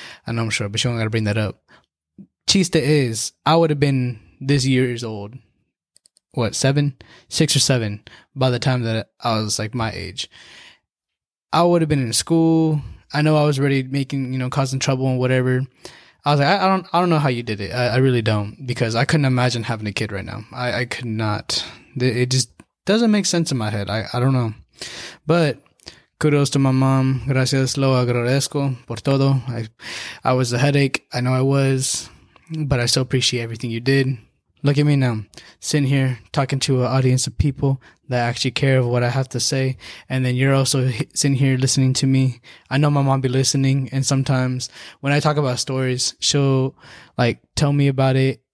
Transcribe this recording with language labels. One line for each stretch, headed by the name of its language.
English: I know I'm short, but you don't got to bring that up. Chiste is, I would have been this year's old, what, seven, six or seven, by the time that I was like my age. I would have been in school. I know I was already making, you know, causing trouble and whatever. I was like, I don't know how you did it. I really don't, because I couldn't imagine having a kid right now. I could not. It just doesn't make sense in my head. I don't know. But kudos to my mom.
Spanish: Gracias, lo agradezco por todo.
English: I was a headache. I know I was. But I still appreciate everything you did. Look at me now, sitting here talking to an audience of people that actually care of what I have to say. And then you're also sitting here listening to me. I know my mom be listening. And sometimes when I talk about stories, she'll like tell me about it.